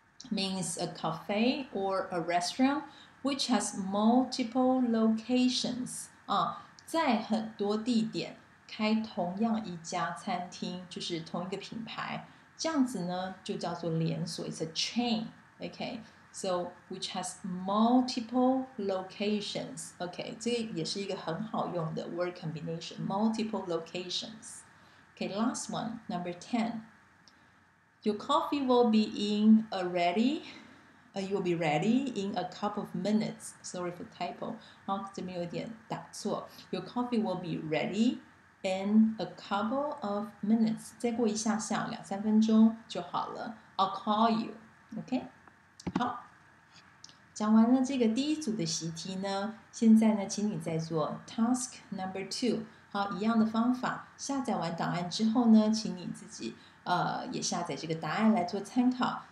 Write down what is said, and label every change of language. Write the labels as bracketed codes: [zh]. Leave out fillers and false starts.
[en] means a cafe or a restaurant which has multiple locations. [zh] 在很多地点开同样一家餐厅，就是同一个品牌，这样子呢就叫做连锁。 [en] It's a chain. Okay, so which has multiple locations. [zh] Okay, 这也是一个很好用的 [en] word combination. Multiple locations. Okay, last one, number 10. Your coffee will be in a ready, you will be ready in a couple of minutes. Sorry for typo. [zh] 好，这边有点打错。 [en] Your coffee will be ready in a couple of minutes. [zh] 再过一下下，两三分钟就好了。 [en] I'll call you. Okay? [zh] 好，讲完了这个第一组的习题呢，现在呢，请你再做 [en] task number two. [zh] 好，一样的方法，下载完档案之后呢，请你自己也下载这个答案来做参考。